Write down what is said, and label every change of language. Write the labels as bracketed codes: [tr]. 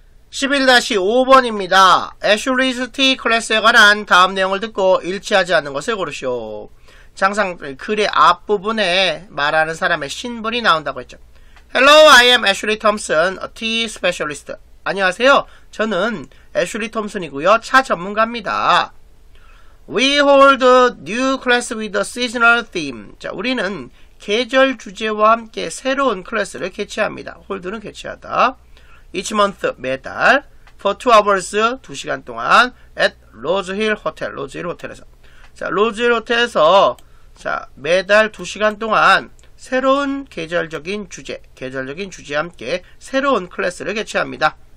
[ko] 11-5번입니다. 애슐리스티 클래스에 관한 다음 내용을 듣고 일치하지 않는 것을 고르시오. 장상 글의 앞부분에 말하는 사람의 신분이 나온다고 했죠. [en] Hello, I am Ashley Thompson, a tea specialist. [ko] 안녕하세요. 저는 애슐리 톰슨이고요. 차 전문가입니다. [en] We hold a new class with a seasonal theme. [ko] 자, 우리는 계절 주제와 함께 새로운 클래스를 개최합니다. [en] Hold는 [ko] 개최하다. [en] Each month, [ko] 매달, [en] for 2 hours, [ko] 2시간 동안, [en] at Rose Hill Hotel, Rose Hill Hotel에서. [ko] 자, Rose Hill Hotel에서, 자, 매달 2시간 동안, 새로운 계절적인 주제와 함께, 새로운 클래스를 개최합니다.